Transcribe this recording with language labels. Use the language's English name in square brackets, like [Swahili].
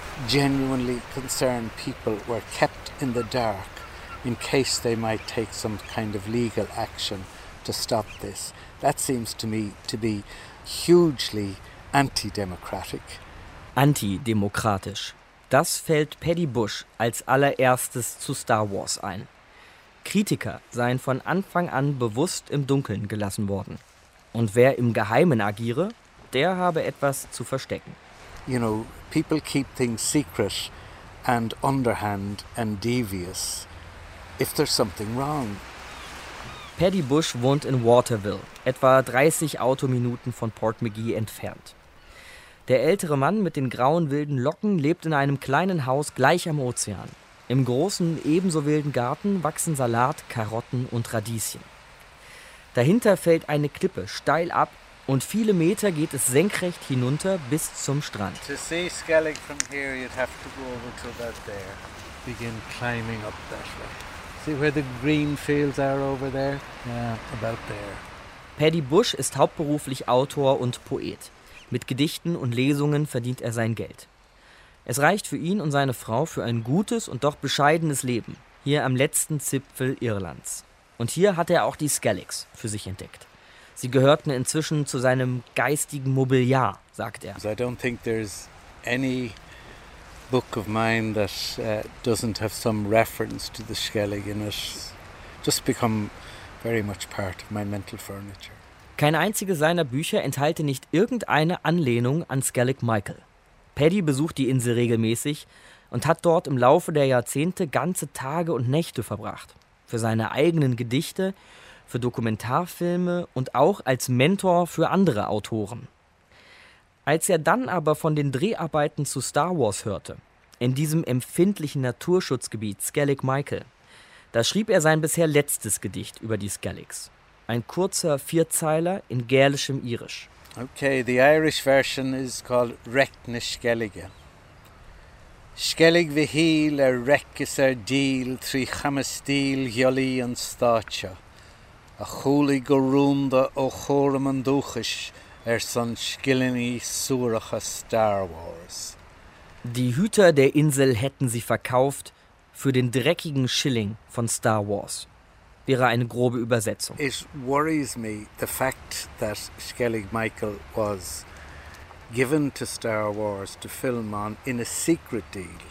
[English] Genuinely concerned people were kept in the dark in case they might take some kind of legal action. To stop this. That seems to me to be hugely anti-democratic. [German] Antidemokratisch. Das fällt Paddy Bush als allererstes zu Star Wars ein. Kritiker seien von Anfang an bewusst im Dunkeln gelassen worden. Und wer im Geheimen agiere, der habe etwas zu verstecken. [English] You know, people keep things secret and underhand and devious if there's something wrong. [German] Paddy Bush wohnt in Waterville, etwa 30 Autominuten von Port McGee entfernt. Der ältere Mann mit den grauen wilden Locken lebt in einem kleinen Haus gleich am Ozean. Im großen, ebenso wilden Garten wachsen Salat, Karotten und Radieschen. Dahinter fällt eine Klippe steil ab und viele Meter geht es senkrecht hinunter bis zum Strand. [English] To see Skellig from here, you'd have to go over to about there. Begin climbing up that way. See where the green fields are over there? Yeah, about there. [German] Paddy Bush ist hauptberuflich Autor und Poet. Mit Gedichten und Lesungen verdient er sein Geld. Es reicht für ihn und seine Frau für ein gutes und doch bescheidenes Leben, hier am letzten Zipfel Irlands. Und hier hat er auch die Skelligs für sich entdeckt. Sie gehörten inzwischen zu seinem geistigen Mobiliar, sagt er. [English] I don't think there's any book of mine that doesn't have some reference to the Skellig in it. Just become very much part of my mental furniture. [German] Kein einziges seiner Bücher enthalte nicht irgendeine Anlehnung an Skellig Michael. Paddy besucht die Insel regelmäßig und hat dort im Laufe der Jahrzehnte ganze Tage und Nächte verbracht. Für seine eigenen Gedichte, für Dokumentarfilme und auch als Mentor für andere Autoren. Als er dann aber von den Dreharbeiten zu Star Wars hörte, in diesem empfindlichen Naturschutzgebiet Skellig Michael, da schrieb er sein bisher letztes Gedicht über die Skelligs. Ein kurzer Vierzeiler in gälischem Irisch. [English] Okay, the Irish version is called Rechne Skellige. Skellig vihil er rekiser diel tri chamestil joli an stacha. A chuli gorunda o chorum an duchis er son skillini suracha Star Wars. [German] Die Hüter der Insel hätten sie verkauft für den dreckigen Schilling von Star Wars. Wäre eine grobe Übersetzung. [English] It worries me the fact that Skellig Michael was given to Star Wars to film on in a secret deal.